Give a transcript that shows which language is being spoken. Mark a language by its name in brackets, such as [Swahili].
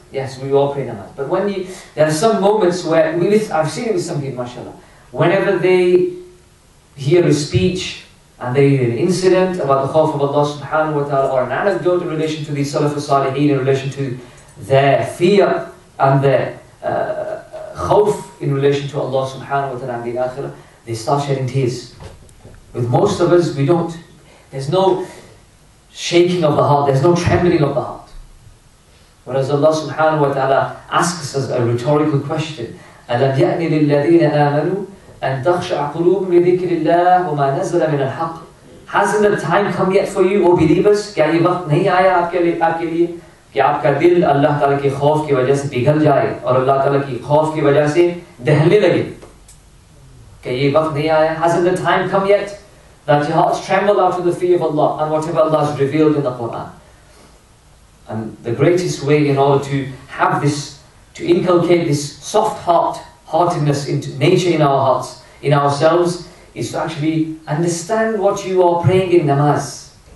[English] Yes, we all pray namaz. But when there are some moments where, I've seen it with some people, mashallah, whenever they hear a speech and they hear an incident about the khawf of Allah subhanahu wa ta'ala or an anecdote in relation to the Salaf al-Saliheen, in relation to their fear and their khawf, in relation to Allah subhanahu wa ta'ala and the akhirah, they start shedding tears. With most of us, we don't. There's no shaking of the heart, there's no trembling of the heart. Whereas Allah subhanahu wa ta'ala asks us a rhetorical question, [Arabic] أَلَمْ يَأْنِ لِلَّذِينَ آمَنُوا أَن تَخْشَعَ قُلُوبٌ لِذِكْرِ اللَّهِ وَمَا نَزَلَ مِنَ الْحَقِّ. [English] Hasn't the time come yet for you, O believers? [Urdu] کیا یہ وقت نہیں آیا آپ کے لیے کہ آپ کا دل اللہ تعالیٰ کے خوف کی وجہ سے پگھل جائے اور اللہ تعالیٰ کی خوف کی وجہ سے دہلنے لگے؟ کہ یہ وقت نہیں آیا. [English] Hasn't the time come yet that your hearts tremble out of the fear of Allah and whatever Allah has revealed in the Quran? And the greatest way in order to have this, to inculcate this soft heart, heartedness into nature in our hearts, in ourselves, is to actually understand what you are praying in namaz.